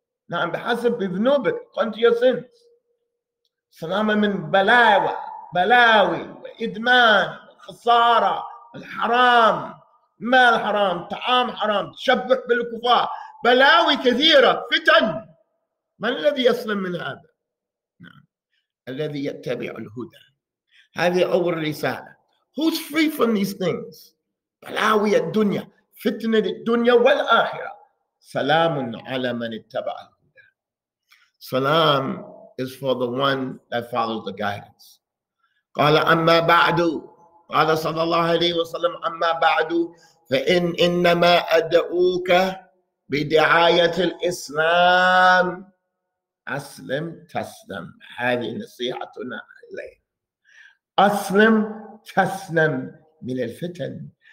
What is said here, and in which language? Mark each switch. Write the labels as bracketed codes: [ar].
[ar] نعم بحسب بذنوبك قنت يا سنت. سلام من بلاوى بلاوي وإدمان خسارة الحرام مال حرام طعام حرام تشبك بالكفار بلاوي كثيرة فتن. من الذي يسلم من هذا؟ نعم. الذي يتبع الهدى. هذه أول رسالة. [en] Who's free from these things؟ [ar] بلاوي الدنيا فتنة الدنيا والآخرة. سلام على من اتبع. [en] Salam is for the one that follows the guidance. [ar] قال أما بعد قال صلى الله عليه وسلم أما بعد فإن إنما أدعوك بدعاية الإسلام أسلم تسلم. هذه نصيحتنا إليه. أسلم تسلم من الفتن.